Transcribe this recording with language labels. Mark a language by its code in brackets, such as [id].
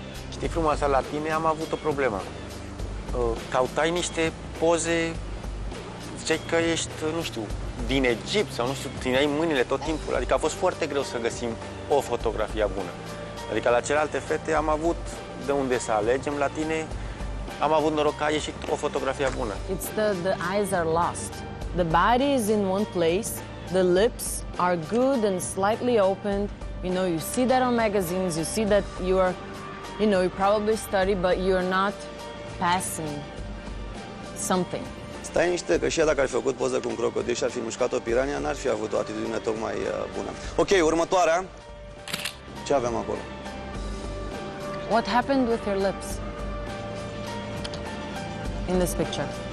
[ro] Știi, frumoasa, la tine am avut o problemă. Cautai niște poze, ziceai că ești, nu știu, din Egipt sau nu știu, țineai mâinile tot timpul. Adică a fost foarte greu să găsim o fotografie bună. Adică la celelalte fete am avut de unde să alegem, la tine am avut noroc că a ieșit o fotografie bună. [en] It's the eyes are lost. The body is in one place, the lips are good and slightly opened. You know, you see that on magazines, you see that you are, you know, you probably study, but you're not passing something. [ro] Stai niște, că și ea dacă ar fi făcut poză cu un crocodil și ar fi mușcat o pirania, n-ar fi avut o atitudine tocmai bună. Ok, următoarea. Ce avem acolo? [en] What happened with your lips? In this picture.